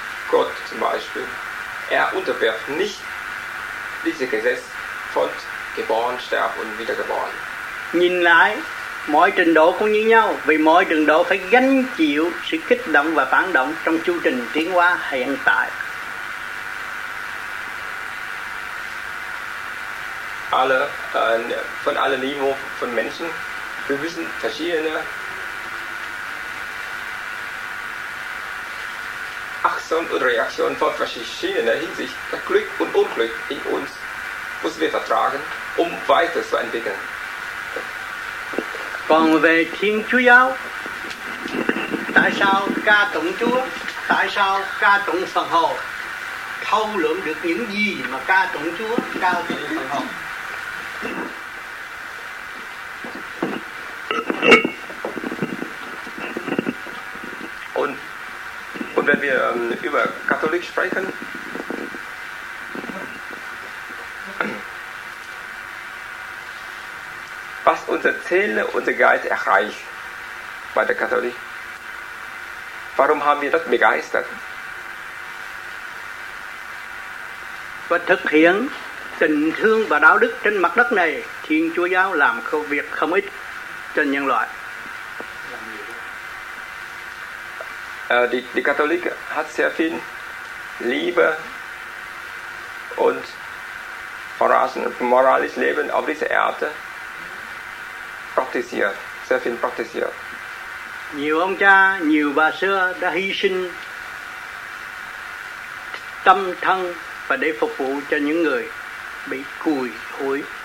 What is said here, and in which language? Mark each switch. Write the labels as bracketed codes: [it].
[de] Gott zum Beispiel. Er unterwirft nicht dieses Gesetz von geboren, sterben und wiedergeboren. [vi] Nhìn lại. Mọi trình độ cũng như nhau, vì mọi trình độ phải gánh chịu sự kích động và phản động trong chu trình tiến hóa hiện tại. [de] Alle von allen Niveau von Menschen, wir wissen verschiedene. Aktion und Reaktion von verschiedenen Hinsicht, das Glück und Unglück in uns müssen wir vertragen, um weiter zu entwickeln. [vi] Còn về Thiên Chúa Giáo, tại sao ca tụng Chúa, tại sao ca tụng Phật Hồ, thâu lượng được những gì mà ca tụng Chúa, ca tụng Phật Hồ? [de] Und wenn wir über Katholik sprechen, was unsere Seele, unser Geist erreicht bei der Katholik. Warum haben wir das begeistert? [vi] Và thực hiện tình thương và đạo đức trên mặt đất này, Thiên Chúa Giáo làm công việc không ít trên nhân loại. [de] Die Katholik hat sehr viel Liebe und moralisches Leben auf dieser Erde praktiziert, sehr viel praktiziert. [vi] Nhiều ông cha, nhiều bà xưa đã hy sinh tâm thân và để phục vụ cho những người bị cùi hủi.